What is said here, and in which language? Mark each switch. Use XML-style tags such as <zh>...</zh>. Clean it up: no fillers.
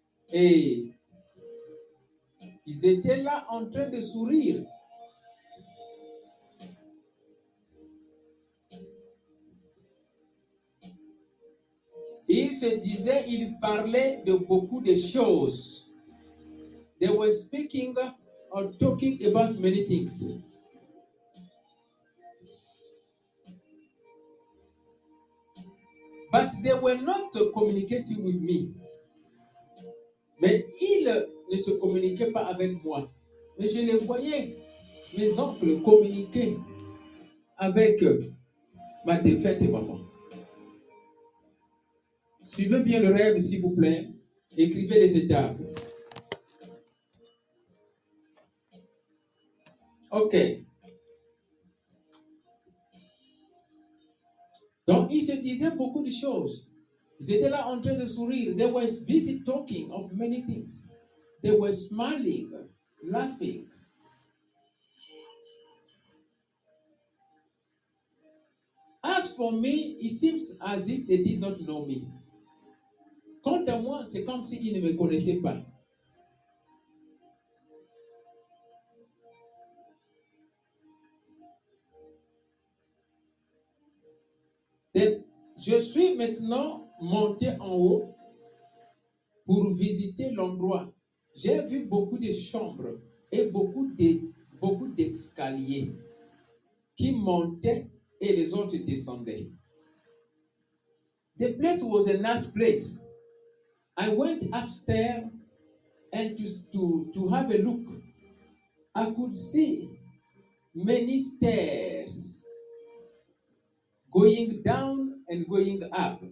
<fr>Et ils étaient là en train de sourire. Ils se disaient, ils parlaient de beaucoup de choses.</fr> <en>They were speaking or talking about many things. But they were not communicating with me.</en> <fr>Mais ils ne se communiquaient pas avec moi. Mais je les voyais, mes oncles, communiquer avec ma défaite et maman. Suivez bien le rêve, s'il vous plaît. Écrivez les étapes. Ok. Donc, ils se disaient beaucoup de choses. Ils étaient là en train de sourire.</fr> <en>They were busy talking of many things. They were smiling, laughing. As for me, it seems as if they did not know me.</en> <fr>Quant à moi, c'est comme s'ils ne me connaissaient pas. Je suis maintenant monté en haut pour visiter l'endroit. J'ai vu beaucoup de chambres et beaucoup d'escaliers qui montaient et les autres descendaient.</fr> <en>The place was a nice place. I went upstairs and to have a look. I could see many stairs going down and going up.</en>